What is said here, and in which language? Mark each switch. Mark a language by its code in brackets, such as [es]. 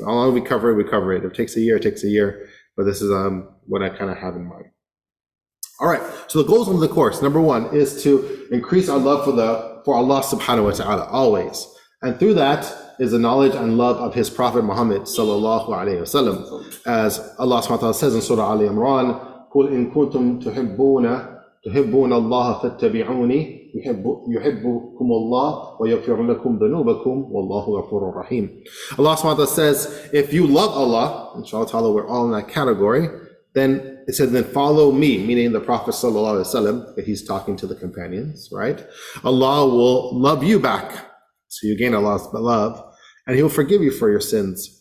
[en] How long we cover it, we cover it. If it takes a year, it takes a year. But this is what I kind of have in mind. All right, so the goals of the course, number one, is to increase our love for Allah subhanahu wa ta'ala, always. And through that is the knowledge and love of his Prophet Muhammad sallallahu alayhi wa sallam. [ar] As Allah subhanahu wa ta'ala says in Surah Ali Imran, قُلْ إِن كُنْتُمْ تُحِبُّونَ اللَّهَ فَاتَّبِعُونِي يحبكم الله ويغفر لكم ذنوبكم والله غفور رحيم. [en] Allah subhanahu wa ta'ala says, if you love Allah, inshallah ta'ala, we're all in that category, then it says, then follow me, meaning the Prophet sallallahu alaihi wasallam, that he's talking to the companions, right? Allah will love you back. So you gain Allah's love, and he'll forgive you for your sins.